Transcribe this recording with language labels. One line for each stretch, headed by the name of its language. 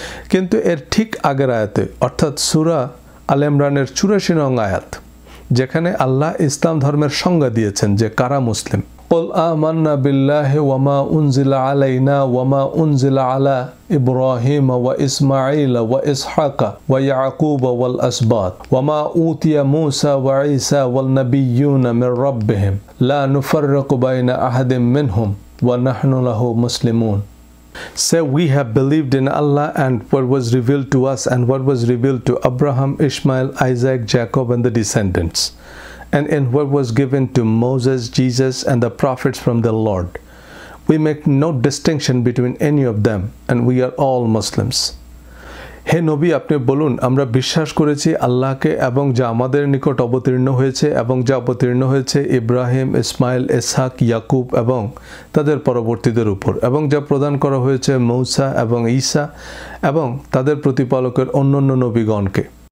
Bangla: কিন্তু এর ঠিক আগের আয়াতে, অর্থাৎ সূরা আল ইমরানের 84 আয়াত, যেখানে আল্লাহ ইসলাম ধর্মের সংজ্ঞা দিয়েছেন যে কারা মুসলিম,
Arabic: قل آمنا بالله وما أنزل علينا وما أنزل على إبراهيم وإسماعيل وإسحاق ويعقوب والأسباط وما أوتي موسى وعيسى والنبيون من ربهم لا نفرق بين أحد منهم ونحن له مسلمون.
English: Say, we have believed in Allah and what was revealed to us and what was revealed to Abraham, Ishmael, Isaac, Jacob and the descendants. And in what was given to Moses, Jesus, and the prophets from the Lord. We make no distinction between any of them, and we are all Muslims.
Bangla: হে নবী, আপনি বলুন, আমরা বিশ্বাস করেছি আল্লাহকে এবং যা আমাদের নিকট অবতীর্ণ হয়েছে এবং যা অবতীর্ণ হয়েছে ইব্রাহিম, ইসমাইল, ইসহাক, ইয়াকুব এবং তাদের পরবর্তীদের উপর, এবং যা প্রদান করা হয়েছে মূসা এবং ঈসা এবং তাদের প্রতিপালকের অন্যান্য নবীগণকে।